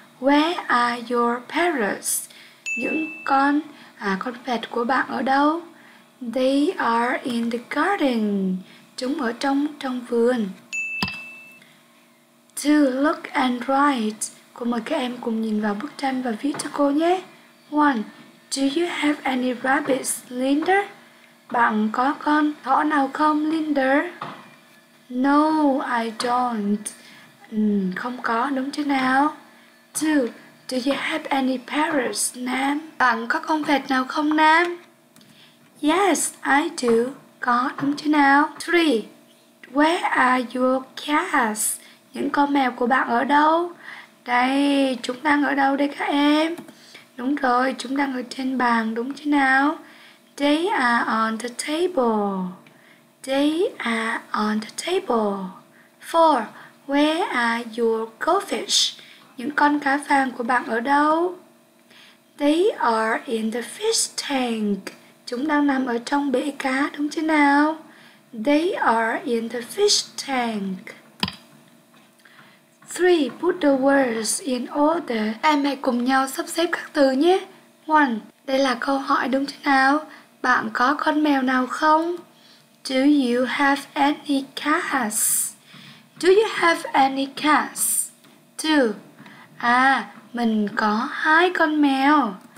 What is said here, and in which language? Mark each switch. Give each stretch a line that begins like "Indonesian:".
English: Where are your parrots?
Vietnamese: Những con vẹt của bạn ở đâu?
English: They are in the garden.
Vietnamese: Chúng ở trong vườn.
English: To look and write.
Vietnamese: Cô mời các em cùng nhìn vào bức tranh và viết cho cô nhé.
English: 1. Do you have any rabbits, Linda?
Vietnamese: Bạn có con thỏ nào không, Linda?
English: No, I don't.
Vietnamese: Không có, đúng chưa nào? 2.
English: Do you have any parrots, Nam?
Vietnamese: Bạn có con vẹt nào không, Nam?
English: Yes, I do.
Vietnamese: Có, đúng chưa nào?
English: 3. Where are your cats?
Vietnamese: Những con mèo của bạn ở đâu? Đây, chúng đang ở đâu đây các em? Đúng rồi, chúng đang ở trên bàn, đúng chứ nào?
English: They are on the table. They are on the table. 4. Where are your goldfish?
Vietnamese: Những con cá vàng của bạn ở đâu?
English: They are in the fish tank.
Vietnamese: Chúng đang nằm ở trong bể cá, đúng chứ nào?
English: They are in the fish tank. 3. Put the words in order.
Vietnamese: Em hãy cùng nhau sắp xếp các từ nhé. 1. Đây là câu hỏi đúng thế nào? Bạn có con mèo nào không?
English: Do you have any cats? Do you have any cats?
Vietnamese: 2. À, mình có 2 con mèo.